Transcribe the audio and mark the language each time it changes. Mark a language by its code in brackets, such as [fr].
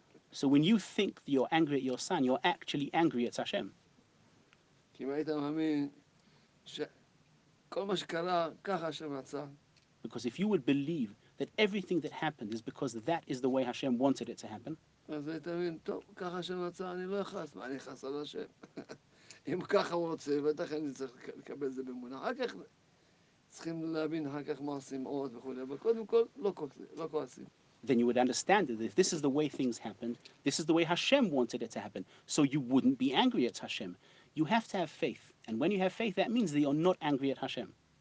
[en] So when you think you're angry at your son, you're actually angry at Hashem. Because if you would believe that everything that happened is because that is the way Hashem wanted it to happen, [he] אם ככה הוא רוצה, ודאי אני צריך לקבל את זה באמונה. אחר כך צריכים להבין אחר כך מה עושים עוד וכו', אבל קודם כל לא כועסים. [en] Then you would understand that if this is the way things happened, this is the way Hashem wanted it to happen, so you wouldn't be angry at Hashem. You have to have faith, and when you have faith, that means that you're not angry at Hashem.